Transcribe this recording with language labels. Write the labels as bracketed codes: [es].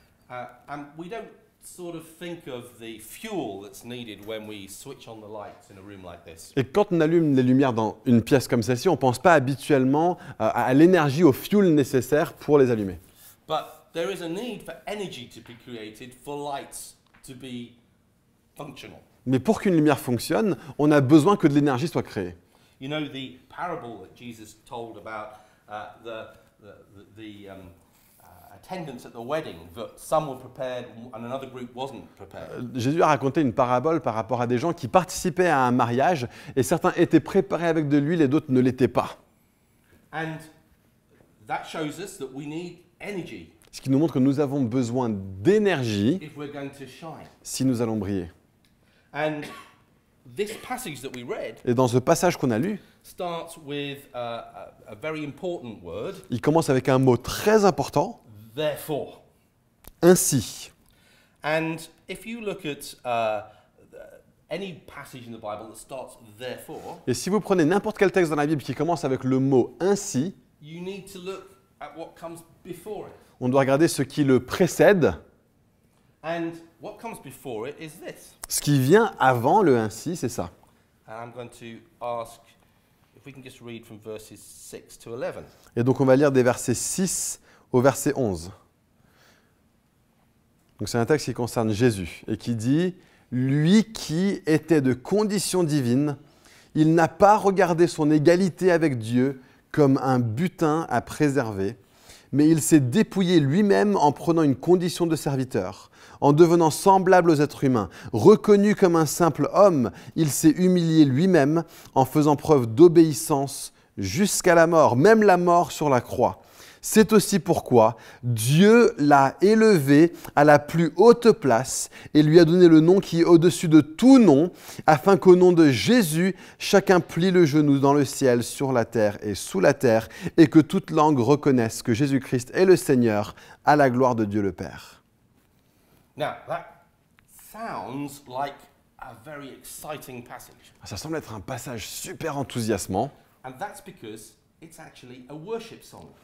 [en] And we don't sort of think of the fuel that's needed when we switch on the lights in a room like this. [fr] Et quand on allume les lumières dans une pièce comme celle-ci, on pense pas habituellement à l'énergie, au fuel nécessaire pour les allumer. [en] But there is a need for energy to be created for lights to be functional. [fr] Mais pour qu'une lumière fonctionne, on a besoin que de l'énergie soit créée. [en] You know the parable that Jesus told about the attendants at the wedding, that some were prepared and another group wasn't prepared. [fr] Jésus a raconté une parabole par rapport à des gens qui participaient à un mariage et certains étaient préparés avec de l'huile et d'autres ne l'étaient pas. [en] And that shows us that we need energy. [fr] Ce qui nous montre que nous avons besoin d'énergie [en] if we're going to shine. [fr] Si nous allons briller. [en] And this passage that we read, [fr] et dans ce passage qu'on a lu, [en] starts with a very important word. [fr] Il commence avec un mot très important. [en] Therefore. [fr] Ainsi. [en] And if you look at any passage in the Bible that starts therefore, [fr] et si vous prenez n'importe quel texte dans la Bible qui commence avec le mot ainsi, [en] you need to look at what comes before it. [fr] On doit regarder ce qui le précède. [en] And what comes before it is this. [fr] Ce qui vient avant le ainsi, c'est ça. [en] And I'm going to ask if we can just read from verses 6 to 11. [fr] Et donc on va lire des versets 6 au verset 11. Donc c'est un texte qui concerne Jésus et qui dit « Lui qui était de condition divine, il n'a pas regardé son égalité avec Dieu comme un butin à préserver, mais il s'est dépouillé lui-même en prenant une condition de serviteur. » En devenant semblable aux êtres humains, reconnu comme un simple homme, il s'est humilié lui-même en faisant preuve d'obéissance jusqu'à la mort, même la mort sur la croix. C'est aussi pourquoi Dieu l'a élevé à la plus haute place et lui a donné le nom qui est au-dessus de tout nom, afin qu'au nom de Jésus, chacun plie le genou dans le ciel, sur la terre et sous la terre, et que toute langue reconnaisse que Jésus-Christ est le Seigneur, à la gloire de Dieu le Père. [en] Now, that sounds like a very exciting passage. [fr] Ça semble être un passage super enthousiasmant. [en] And that's because it's actually a worship song.